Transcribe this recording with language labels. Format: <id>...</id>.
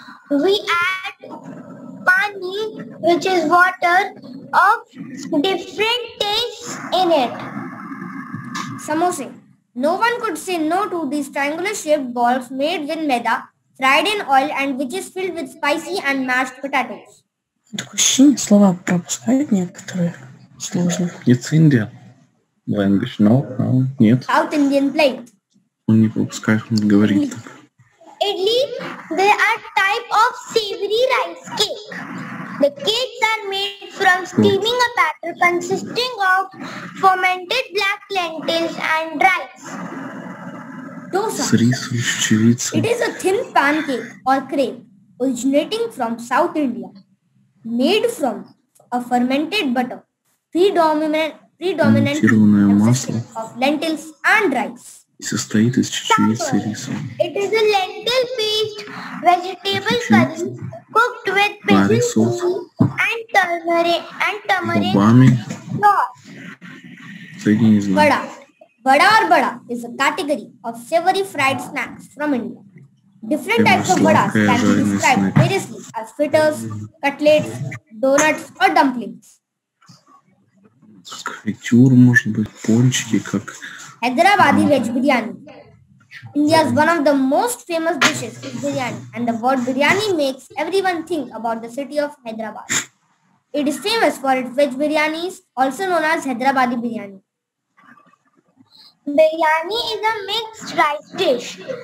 <en>We add pani, which is water, of different tastes in it. Samosa. No one could say no to these triangular-shaped balls made with maida, fried in oil, and which is filled with spicy and mashed potatoes.</en> <ru>Такое ощущение, слова пропускают некоторые.</ru> <en>It's Indian language, no? No,</en> <ru>нет.</ru> <en>South Indian plate.</en> <ru>Он не пускает, он говорит так.</ru> <en>Idli, there are type of savory rice cake. The cakes are made from steaming a batter consisting of fermented black lentils and rice. Dosa. It is a thin pancake or crepe originating from South India, made from a fermented butter, predominantly of lentils and rice.</en> <ru>Состоит из чечевицы и риса.</ru> <en>It is a lentil paste vegetable curry cooked with basil and turmeric sauce. Vada. Vada or vada is a category of savory fried snacks from India. Different types of vadas can be described variously as fritters, cutlets, donuts or dumplings.</en> <ru>Скритюр, может быть, пончики, как...</ru> <en>Hyderabadi veg biryani. India's one of the most famous dishes is biryani, and the word biryani makes everyone think about the city of Hyderabad. It is famous for its veg biryanis, also known as Hyderabadi biryani. Biryani is a mixed rice dish.</en>